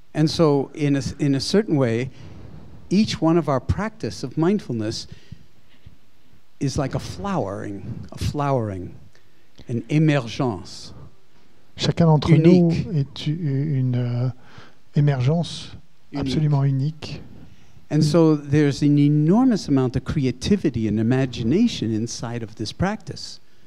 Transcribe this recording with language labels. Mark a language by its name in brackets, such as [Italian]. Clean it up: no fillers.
[English] And so in a certain way, each one of our practice of mindfulness is like a flowering, an émergence. [French] Chacun d'entre nous est une émergence absolument unique. [English] And so there's an enormous amount of creativity and imagination inside of this practice.